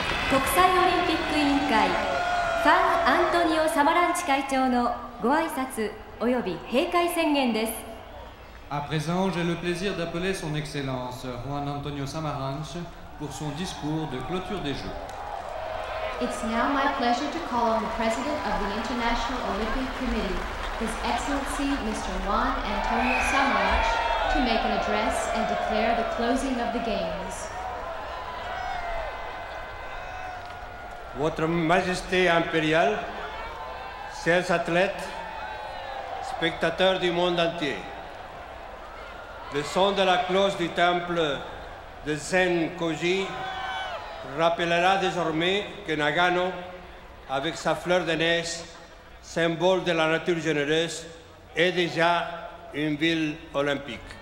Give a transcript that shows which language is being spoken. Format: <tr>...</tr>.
<ja>国際オリンピック委員会ファン・アントニオ・サマランチ会長のご挨拶および閉会宣言です。</ja> <fr>À présent, j'ai le plaisir d'appeler son Excellence Juan Antonio Samaranch pour son discours de clôture des Jeux.</fr> <en>It's now my pleasure to call on the President of the International Olympic Committee, His Excellency Mr. Juan Antonio Samaranch, to make an address and declare the closing of the Games.</en> <fr>Votre Majesté impériale, chers athlètes, spectateurs du monde entier, le son de la cloche du temple de Zen Koji rappellera désormais que Nagano, avec sa fleur de neige, symbole de la nature généreuse, est déjà une ville olympique.</fr>